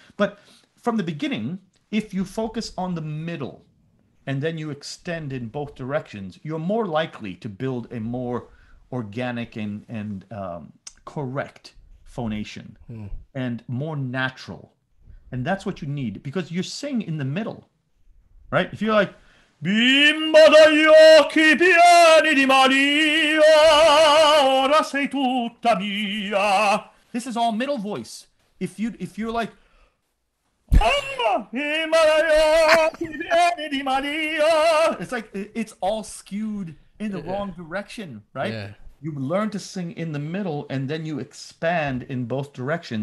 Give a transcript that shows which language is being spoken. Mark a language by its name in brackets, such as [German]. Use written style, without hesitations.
[English] But from the beginning, if you focus on the middle and then you extend in both directions, you're more likely to build a more organic and correct phonation and more natural. And that's what you need, because you sing in the middle, right? If you're like, [Italian] Bimbo dagli occhi pieni di malia, ora sei tutta mia. [English] This is all middle voice. If you're like, it's like it's all skewed in the wrong direction, right? Yeah. You learn to sing in the middle and then you expand in both directions.